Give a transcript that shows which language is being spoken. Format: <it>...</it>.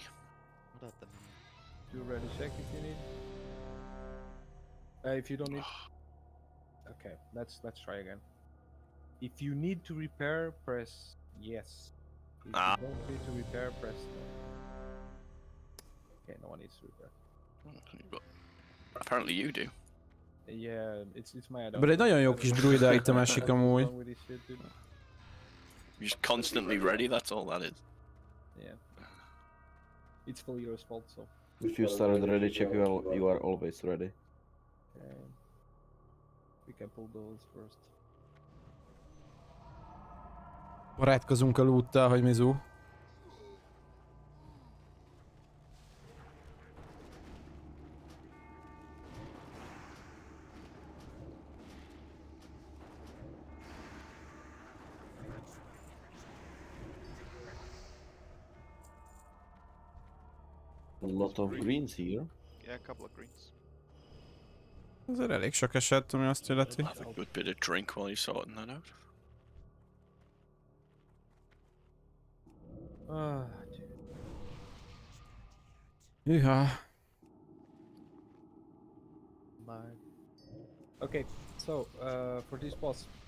<en>Do you ready check if you need? If you don't need... Okay, let's try again. If you need to repair, press yes. If you don't need to repair, press no. Okay, no one needs to repair. Apparently you do. Yeah, it's my adult. But</en> <hu>egy nagyon jó kis druida itt a másik amúgy.</hu> <en>You're just constantly ready, that's all that is. Yeah. It's for your fault, so. If you started ready, check you are always ready. Okay. We can pull those first.</en> <hu>Barátkozunk a loot-tel, hogy Mizu.</hu> <en>Lot of greens here. Yeah, a couple of greens.</en> <hu>Ez elég sok esett, ami azt illeti.</hu> <en>Have a good bit of drink while you're sorting that out.</en> <hu>Hűha.</hu> <en>Okay, so, for this boss.</en>